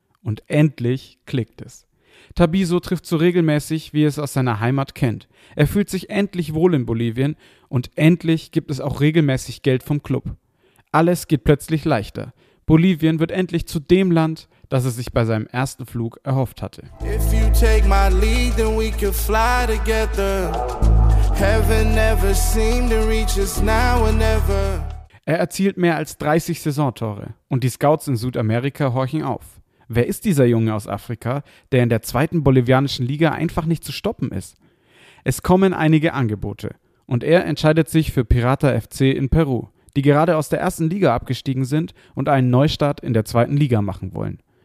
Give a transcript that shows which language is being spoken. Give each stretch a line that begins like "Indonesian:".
German: Und endlich klickt es. Tabiso trifft so regelmäßig, wie er es aus seiner Heimat kennt. Er fühlt sich endlich wohl in Bolivien und endlich gibt es auch regelmäßig Geld vom Club. Alles geht plötzlich leichter. Bolivien wird endlich zu dem Land, das er sich bei seinem ersten Flug erhofft hatte.
English: If you take my lead, then we can fly together. Heaven never seemed to reach us now or never.
German: Er erzielt mehr als 30 Saisontore und die Scouts in Südamerika horchen auf. Wer ist dieser Junge aus Afrika, der in der zweiten bolivianischen Liga einfach nicht zu stoppen ist? Es kommen einige Angebote und er entscheidet sich für Pirata FC in Peru, die gerade aus der ersten Liga abgestiegen sind und einen Neustart in der zweiten Liga machen wollen.